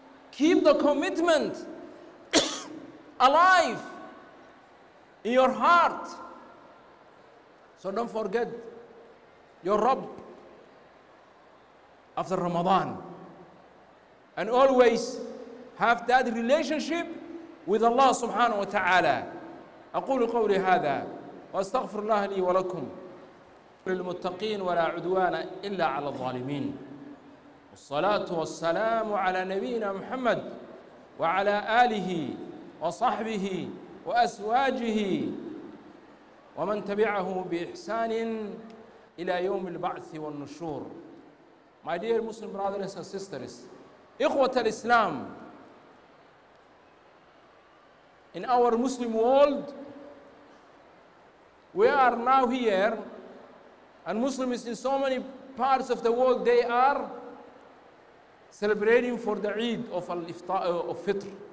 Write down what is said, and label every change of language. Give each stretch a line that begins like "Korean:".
English: Keep the commitment alive in your heart. So don't forget your Rabb after Ramadan. And always have that relationship with Allah subhanahu wa ta'ala.
Arabic: أقول قولي هذا وأستغفر الله لي ولكم للمتقين ولا عدوان إلا على الظالمين. والصلاة والسلام على نبينا محمد وعلى آله وصحبه وأسواجه ومن تبعه بإحسان إلى يوم البعث والنشور.
English: My dear Muslim brothers and sisters,
Arabic: إخوة الإسلام,
English: in our Muslim world, we are now here, and Muslims in so many parts of the world, they are celebrating for the Eid of Fitr.